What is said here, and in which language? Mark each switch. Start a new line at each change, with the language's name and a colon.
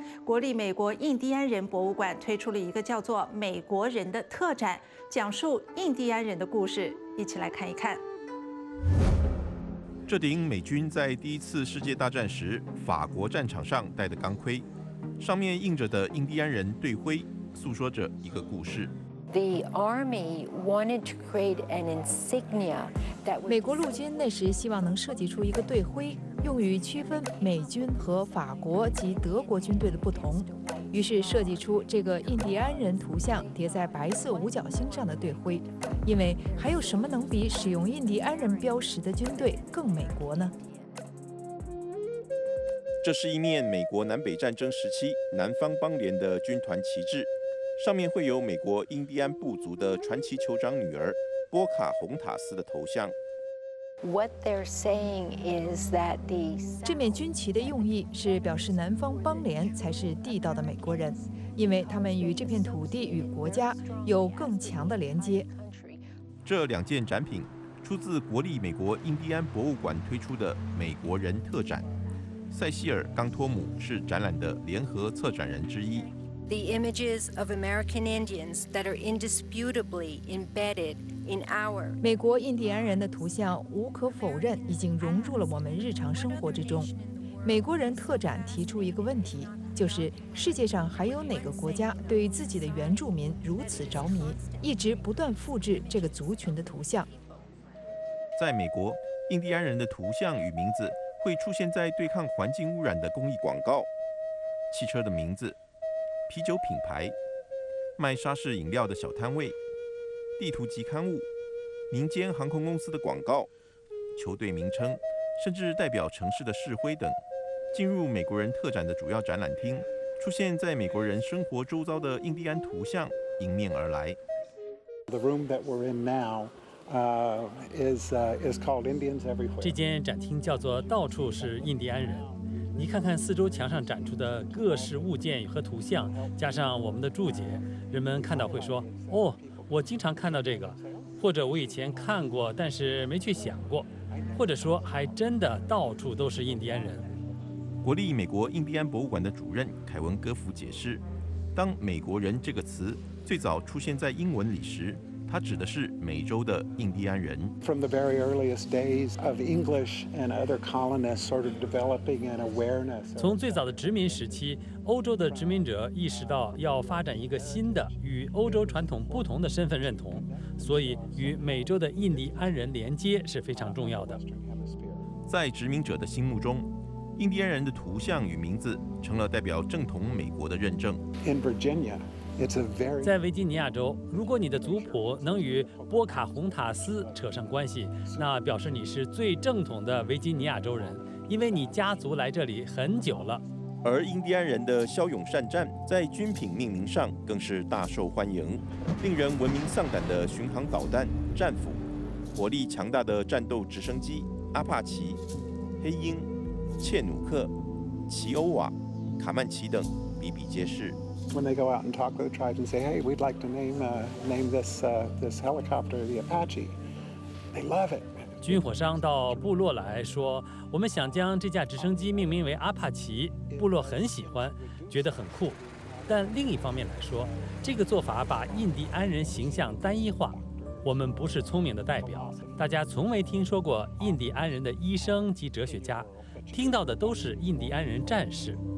Chinese: 国立美国印第安人博物馆推出了一个叫做《美国人》的特展，讲述印第安人的故事，一起来看一看。这顶美军在第一次世界大战时法国战场上戴的钢盔，上面印着的印第安人队徽，诉说着一个故事。
English: The army wanted to create an insignia that.
Chinese: 美国陆军那时希望能设计出一个队徽，用于区分美军和法国及德国军队的不同。于是设计出这个印第安人图像叠在白色五角星上的队徽，因为还有什么能比使用印第安人标识的军队更美国呢？这是一面美国南北战争时期南方邦联的军团旗帜。上面会有美国印第安部族的传奇酋长女儿波卡洪塔斯的头像。
English: What they're saying is that the
Chinese: 这面军旗的用意是表示南方邦联才是地道的美国人，因为他们与这片土地与国家有更强的连接。这两件展品出自国立美国印第安博物馆推出的《美国人》特展。塞西尔·冈托姆是展览的联合策展人之一。
English: The images of American Indians that are indisputably embedded in our
Chinese: 美国印第安人的图像，无可否认已经融入了我们日常生活之中。美国人特展提出一个问题，就是世界上还有哪个国家对自己的原住民如此着迷，一直不断复制这个族群的图像。在美国，印第安人的图像与名字会出现在对抗环境污染的公益广告、汽车的名字、啤酒品牌、卖沙士饮料的小摊位、地图及刊物、民间航空公司的广告、球队名称，甚至代表城市的市徽等。进入美国人特展的主要展览厅，出现在美国人生活周遭的印第安图像迎面而来。
English: The room that we're in now, is called Indians Everywhere.
Chinese: 这间展厅叫做“到处是印第安人”。你看看四周墙上展出的各式物件和图像，加上我们的注解，人们看到会说：“哦，我经常看到这个，或者我以前看过，但是没去想过，或或者说还真的到处都是印第安人。国立美国印第安博物馆的主任凯文·戈弗解释，当美国人这个词最早出现在英文里时，它指的是美洲的印第安人。
English: From the very earliest days of English and other colonists sort of developing an awareness.
Chinese: 从最早的殖民时期，欧洲的殖民者意识到要发展一个新的与欧洲传统不同的身份认同，所以与美洲的印第安人连接是非常重要的。在殖民者的心目中，印第安人的图像与名字成了代表正统美国的认证。
English: In Virginia.
Chinese: 在维吉尼亚州，如果你的族谱能与波卡洪塔斯扯上关系，那表示你是最正统的维吉尼亚州人，因为你家族来这里很久了。而印第安人的骁勇善战在军品命名上更是大受欢迎，令人闻名丧胆的巡航导弹战斧、火力强大的战斗直升机阿帕奇、黑鹰、切努克、奇欧瓦、卡曼奇等比比皆是。
English: When they go out and talk to the tribes and say, "Hey, we'd like to name this helicopter the Apache," they love it.
Chinese: 军火商到部落来说，我们想将这架直升机命名为阿帕奇，部落很喜欢，觉得很酷。但另一方面来说，这个做法把印第安人形象单一化。我们不是聪明的代表，大家从没听说过印第安人的医生及哲学家，听到的都是印第安人战士。